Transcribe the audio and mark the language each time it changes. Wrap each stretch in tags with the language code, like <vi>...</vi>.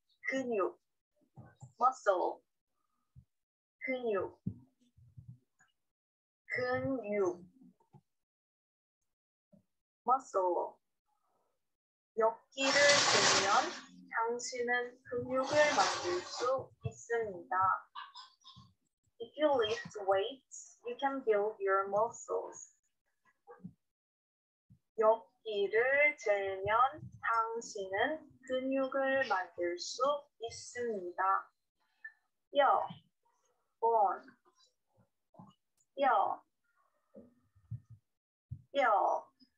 <ko>근육, muscle. 근육, 근육, muscle. 역기를 들면 당신은 근육을 만들 수 있습니다.</ko> <en>If you lift weights, you can build your muscles.</en> <ko>역기를 들면 당신은 근육을 만들 수 있습니다. 뼈, bone. 뼈, 뼈.</ko>